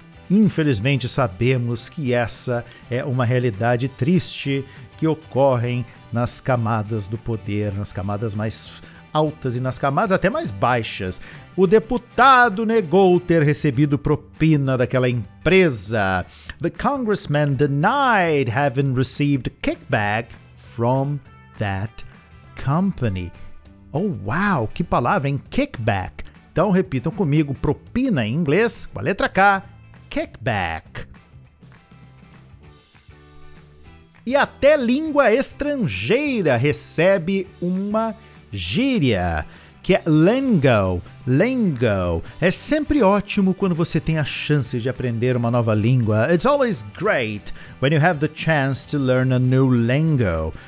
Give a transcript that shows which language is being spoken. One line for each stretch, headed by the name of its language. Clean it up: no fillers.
Portuguese: Infelizmente sabemos que essa é uma realidade triste que ocorre nas camadas do poder, nas camadas mais altas e nas camadas até mais baixas. O deputado negou ter recebido propina daquela empresa.
English: The congressman denied having received kickback from that company.
Portuguese: Oh, wow, que palavra, hein? Kickback. Então, repitam comigo, propina em inglês, com a letra K, kickback. E até língua estrangeira recebe uma gíria, que é lingo, lingo. É sempre ótimo quando você tem a chance de aprender uma nova língua.
English: It's always great when you have the chance to learn a new lingo.